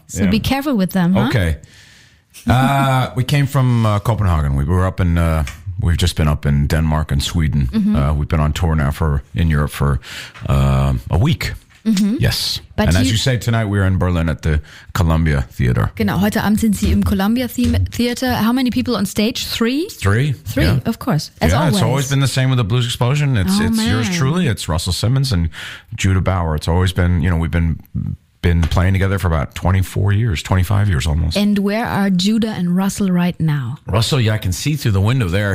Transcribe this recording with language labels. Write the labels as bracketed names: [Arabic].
[English] So be careful with them. Okay. we came from Copenhagen. We were up in, we've just been up in Denmark and Sweden. Mm-hmm. We've been on tour now in Europe for a week. Mm-hmm. Yes. But and as you say, tonight we are in Berlin at the Columbia Theater. [German] Genau, heute Abend sind Sie im Columbia Theater. [English] How many people on stage? Three? Three. Three, of course. As always. It's always been the same with the Blues Explosion. It's yours truly. It's Russell Simmons and Judah Bauer. It's always been, you know, we've been playing together for about 24 years, 25 years almost. And where are Judah and Russell right now? Russell, yeah, I can see through the window there.